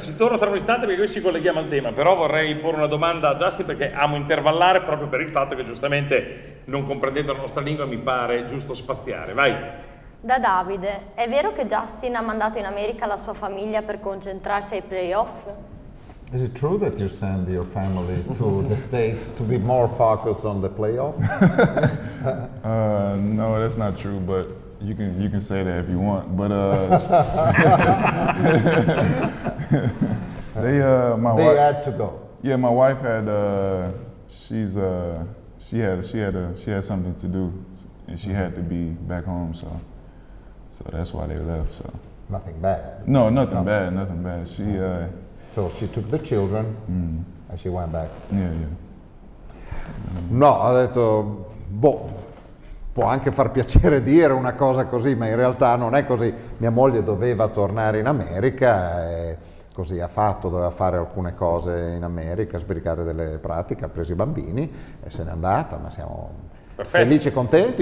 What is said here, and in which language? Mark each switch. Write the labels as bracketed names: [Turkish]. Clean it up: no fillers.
[Italian] Ci torno tra un istante perché qui ci colleghiamo al tema. Però vorrei porre una domanda a Justin perché amo intervallare proprio per il fatto che giustamente non comprendendo la nostra lingua mi pare giusto spaziare. Vai. Da Davide, è vero che Justin ha mandato in America la sua famiglia per concentrarsi ai playoff? [English] Is it true that you send your family to the States to be more focused on the playoff? No, that's not true, but you can say that if you want. But they had to go. Yeah, my wife had she had something to do and she had to be back home, so that's why they left. So nothing bad. No, nothing bad. She So she took the children and she went back. Yeah, yeah. [Italian] No, ha detto, può anche far piacere dire una cosa così, ma in realtà non è così. Mia moglie doveva tornare in America e così ha fatto, doveva fare alcune cose in America, sbrigare delle pratiche, ha preso i bambini e se n'è andata, ma siamo felici e contenti.